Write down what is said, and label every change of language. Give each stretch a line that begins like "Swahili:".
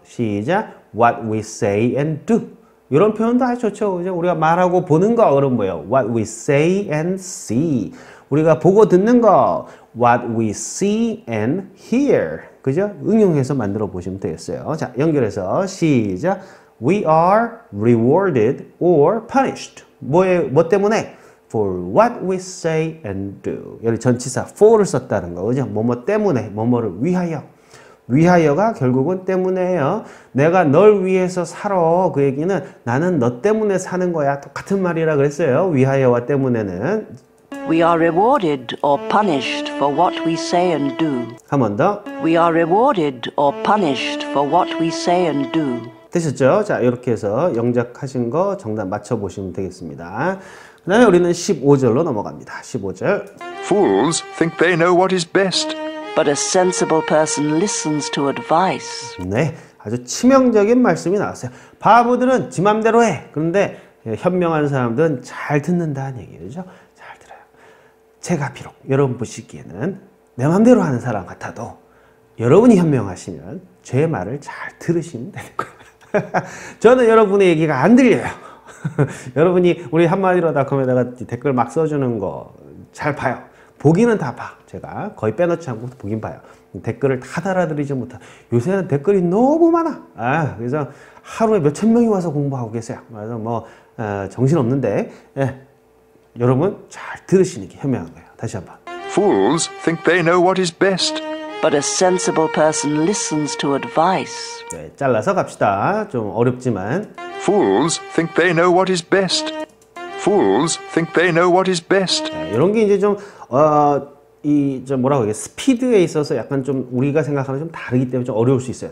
Korean: 시작.
English: What we say and do.
Korean: 이런 표현도 아주 좋죠. 그죠? 우리가 말하고 보는 거. 그럼 뭐예요?
English: What we say and see.
Korean: 우리가 보고 듣는 거.
English: What we see and hear.
Korean: 그죠? 응용해서 만들어 보시면 되겠어요. 자, 연결해서 시작.
English: We are rewarded or punished.
Korean: 뭐 때문에?
English: For what we say and do.
Korean: 여기 전치사 for를 썼다는 거. 그죠? 뭐뭐 때문에, 뭐뭐를 위하여. 위하여가 결국은 때문에요. 내가 널 위해서 살아. 그 얘기는 나는 너 때문에 사는 거야. 똑같은 말이라 그랬어요. 위하여와 때문에는.
English: We are rewarded or punished for what we say and do.
Korean: 한 번 더.
English: We are rewarded or punished for what we say and do.
Korean: 되셨죠? 자, 이렇게 해서 영작하신 거 정답 맞춰보시면 되겠습니다. 그 다음에 우리는 15절로 넘어갑니다. 15절.
English: Fools think they know what is best. But a sensible person listens to advice.
Korean: 네, 아주 치명적인 말씀이 나왔어요. 바보들은 지 맘대로 해. 그런데 현명한 사람들은 잘 듣는다는 얘기죠. 제가 비록 여러분 보시기에는 내 마음대로 하는 사람 같아도 여러분이 현명하시면 제 말을 잘 들으시면 되는 거예요. 저는 여러분의 얘기가 안 들려요. 여러분이 우리 한마디로닷컴에다가 댓글 막 써주는 거 잘 봐요. 보기는 다 봐. 제가 거의 빼놓지 않고 보긴 봐요. 댓글을 다 달아드리지 못하. 요새는 댓글이 너무 많아. 아, 그래서 하루에 몇천 명이 와서 공부하고 계세요. 그래서 뭐 정신없는데 예. 여러분 잘 들으시는 게 현명한 거예요. 다시 한번.
English: Fools think they know what is best. But a sensible person listens to advice.
Korean: 네, 잘라서 갑시다. 좀 어렵지만.
English: Fools think they know what is best. Fools think they know what is best.
Korean: 네, 이런 게 이제 좀 이 좀 뭐라고 해야 스피드에 있어서 약간 좀 우리가 생각하는 좀 다르기 때문에 좀 어려울 수 있어요.